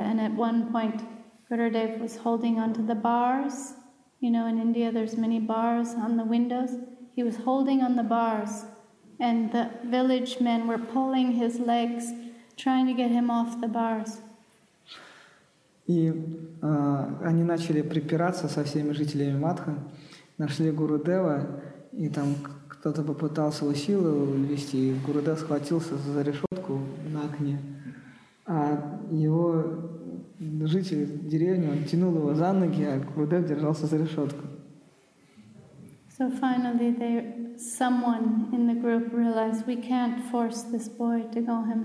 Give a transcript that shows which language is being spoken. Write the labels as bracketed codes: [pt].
[en] And at one point, Gurudev was holding onto the bars. You know, in India, there's many bars on the windows. He was holding on the bars, and the village men were pulling his legs, trying to get him off the bars. [ru] И они начали припираться со всеми жителями Матха. Нашли Гурудева, и там кто-то попытался его силы увести, и Гурудев схватился за решетку на окне. А его житель деревни, он тянул его за ноги, а Гурудев держался за решетку. [en] So finally someone in the group realized we can't force this boy to go home.